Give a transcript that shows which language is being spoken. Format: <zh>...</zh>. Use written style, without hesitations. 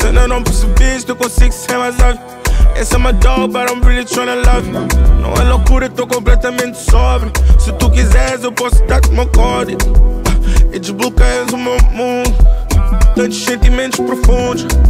<pt>Se ainda não percebi isso, eu consigo ser mais óbvio. Esse é</pt> <en>my dog, but I'm really tryna love you.</en> <pt>Não é loucura, tô completamente sobre. Se tu quiseres, eu posso dar-te meu código. E desbloqueias o meu mundo. Tantos sentimentos profundos.</pt>